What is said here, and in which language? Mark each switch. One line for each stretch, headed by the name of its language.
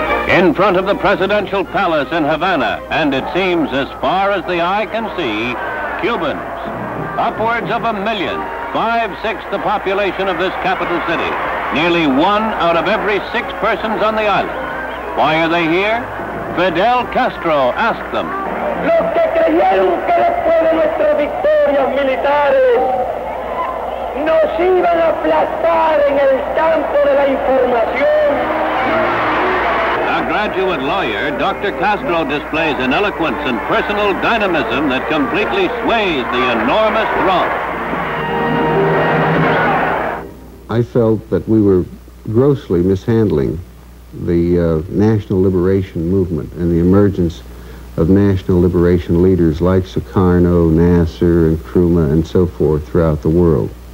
English: In front of the presidential palace in Havana, and it seems as far as the eye can see, Cubans, upwards of 1 million. 5/6 the population of this capital city. nearly one out of every six persons on the island. Why are they here? Fidel Castro asked them.
Spanish: Los que creyeron que después de nuestras victorias militares nos iban a aplastar en el campo de la información.
English: Graduate lawyer, Dr. Castro displays an eloquence and personal dynamism that completely sways the enormous throng. I felt that we were grossly mishandling the national liberation movement and the emergence of national liberation leaders like Sukarno, Nasser, and Nkrumah, and so forth throughout the world.